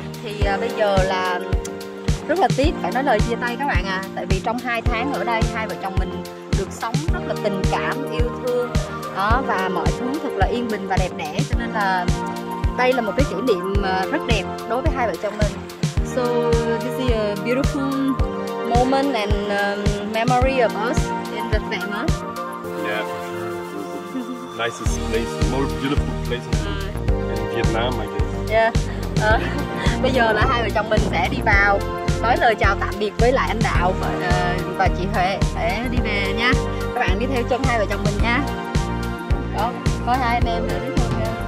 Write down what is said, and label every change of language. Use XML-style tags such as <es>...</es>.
<vi>Thì bây giờ là rất là tiếc phải nói lời chia tay các bạn à, tại vì trong 2 tháng ở đây hai vợ chồng mình được sống rất là tình cảm, yêu thương đó, và mọi thứ thật là yên bình và đẹp đẽ, cho nên là đây là một cái kỷ niệm rất đẹp đối với hai vợ chồng mình.</vi> <en>So this is a beautiful moment and memory of us in the family. Yeah, nicest place, most beautiful place in Vietnam, I guess. Yeah.</en> <vi>Bây giờ là hai vợ chồng mình sẽ đi vào nói lời chào tạm biệt với lại anh Đạo và chị Huệ để đi về nha. Các bạn đi theo chân hai vợ chồng mình nha. Đó, có hai anh em nữa đi theo nha.</vi>